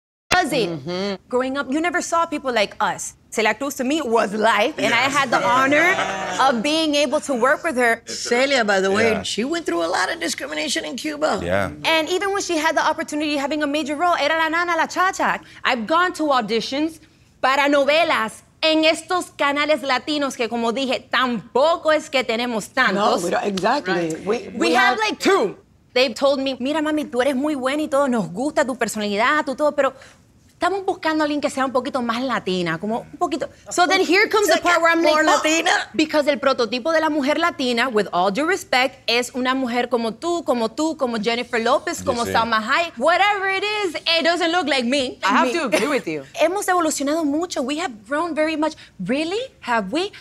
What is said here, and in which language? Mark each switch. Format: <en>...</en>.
<en>Buzzing. Mm-hmm. Growing up, you never saw people like us. Selectos to me was life, and yes. I had the honor of being able to work with her. Celia, by the way, she went through a lot of discrimination in Cuba. Yeah. And even when she had the opportunity having a major role,</en> <es>era la nana, la cha-cha.</es> <en>I've gone to auditions</en> <es>para novelas en estos canales latinos que, como dije, tampoco es que tenemos tantos.</es> <en>No, exactly. Right. We have like two. They've told me,</en> <es>mira, mami, tú eres muy buena y todo, nos gusta tu personalidad, tu todo, pero estamos buscando a alguien que sea un poquito más latina, como un poquito.</es> <en>So then here comes the part where I'm more latina. Because</en> <es>el prototipo de la mujer latina,</es> <en>with all due respect,</en> <es>es una mujer como tú, como tú, como Jennifer Lopez, como Salma Hayek.</es> <en>Whatever it is, it doesn't look like me. I have to agree with you.</en> <es>Hemos evolucionado mucho.</es> <en>We have grown very much. Really? Have we?</en>